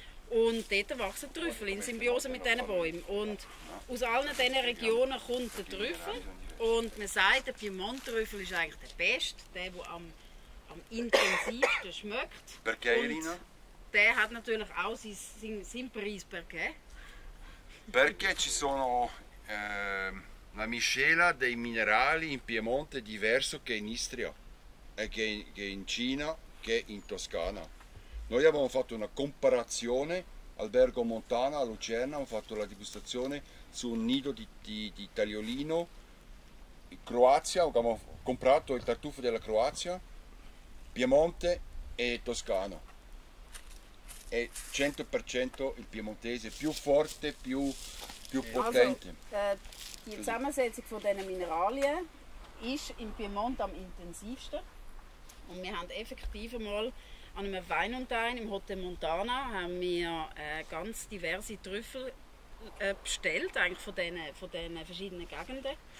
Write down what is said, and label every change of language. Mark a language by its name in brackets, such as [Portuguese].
[German] Und dort wachsen Trüffel in Symbiose mit diesen Bäumen. Und aus allen diesen Regionen kommt der Trüffel. Und man sagt, der Piemont-Trüffel ist eigentlich der beste, der am intensivsten schmeckt. [Italian] Perché, Irina? [German] Der hat natürlich auch seinen Preis. [Italian] Perché? Perché ci sono una miscela dei minerali in Piemonte diverso che in Istria, che in Cina, che in Toscana. Noi abbiamo fatto una comparazione, Albergo Montana a Lucerna, abbiamo fatto la degustazione su un nido di tagliolino in Croazia, abbiamo comprato il tartufo della Croazia, Piemonte e Toscano. È 100% il piemontese, più forte, più potente. [German] Die Zusammensetzung von diesen Mineralien ist in Piemont am intensivsten. Und wir haben effektiv mal an einem Weinuntein im Hotel Montana haben wir ganz diverse Trüffel bestellt, eigentlich von den verschiedenen Gegenden.